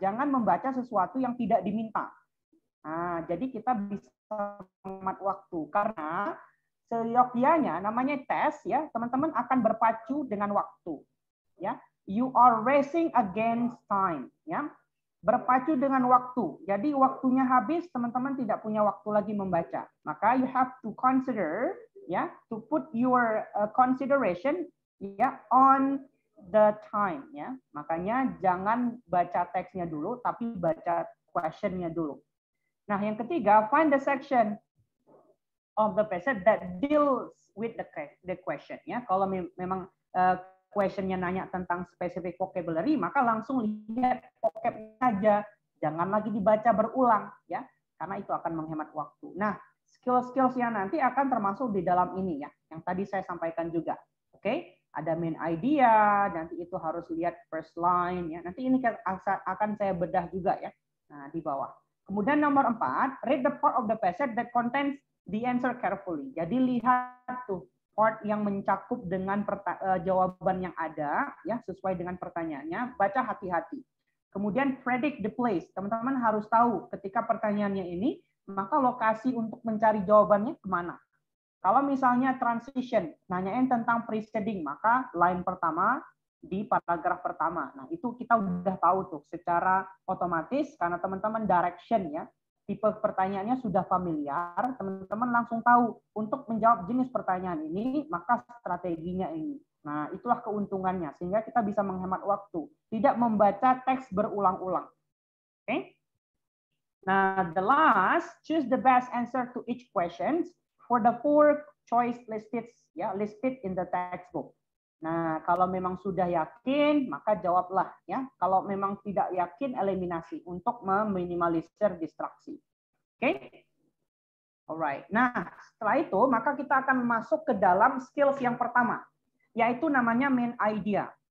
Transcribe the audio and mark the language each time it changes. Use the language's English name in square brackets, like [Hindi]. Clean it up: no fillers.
[Indonesian] Jangan membaca sesuatu yang tidak diminta. Nah, jadi kita bisa menghemat waktu. Karena seyogianya namanya tes ya, teman-teman akan berpacu dengan waktu. [English] Ya, you are racing against time, ya. [Indonesian] Berpacu dengan waktu. Jadi waktunya habis, teman-teman tidak punya waktu lagi membaca. [English] Maka you have to consider ya, to put your consideration ya on the time ya. [Indonesian] Makanya jangan baca teksnya dulu tapi baca question-nya dulu. Nah, yang ketiga, [English] find the section of the passage that deals with the question ya. [Indonesian] Kalau memang question-nya nanya tentang specific vocabulary, maka langsung lihat vocab-nya aja. Jangan lagi dibaca berulang ya, karena itu akan menghemat waktu. Nah, skill-skill yang nanti akan termasuk di dalam ini ya, yang tadi saya sampaikan juga. Oke, okay? Ada main idea, nanti itu harus lihat first line ya. Nanti ini akan saya bedah juga ya. Nah, di bawah. Kemudian nomor 4, [English] read the part of the passage that contains the answer carefully. [Indonesian] Jadi lihat tuh part yang mencakup dengan jawaban yang ada ya, sesuai dengan pertanyaannya, baca hati-hati. Kemudian [English] predict the place. [Indonesian] Teman-teman harus tahu ketika pertanyaannya ini, maka lokasi untuk mencari jawabannya kemana. Kalau misalnya transition, nanyain tentang preceding, maka line pertama di paragraf pertama. Nah, itu kita udah tahu tuh secara otomatis karena teman-teman direction ya. Tipe pertanyaannya sudah familiar, teman-teman langsung tahu untuk menjawab jenis pertanyaan ini, maka strateginya ini. Nah, itulah keuntungannya, sehingga kita bisa menghemat waktu. Tidak membaca teks berulang-ulang. Oke? Okay? [English] Nah, the last, choose the best answer to each question for the four choice listed, ya, listed in the textbook. [Indonesian] Nah, kalau memang sudah yakin, maka jawablah ya. Kalau memang tidak yakin, eliminasi untuk meminimalisir distraksi. Oke? Alright. Nah, setelah itu maka kita akan masuk ke dalam skills yang pertama, yaitu namanya main idea.